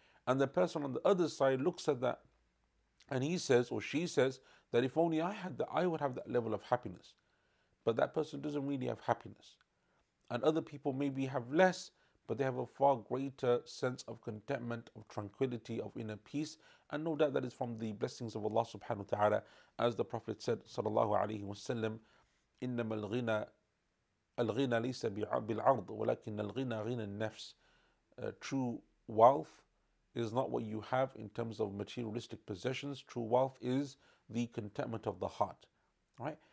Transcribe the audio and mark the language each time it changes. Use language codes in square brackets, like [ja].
[en] And the person on the other side looks at that and he says, or she says, that if only I had that, I would have that level of happiness. But that person doesn't really have happiness. And other people maybe have less, but they have a far greater sense of contentment, of tranquility, of inner peace. And no doubt that is from the blessings of Allah subhanahu wa ta'ala. As the Prophet said, [ar] sallallahu alayhi wa sallam, إِنَّمَا الْغِنَى الْغِنَى لَيْسَ بِالْعَرْضِ وَلَكِنَّ الْغِنَى غِنَى النَّفْسِ. [en] True wealth is not what you have in terms of materialistic possessions. True wealth is the contentment of the heart. Right?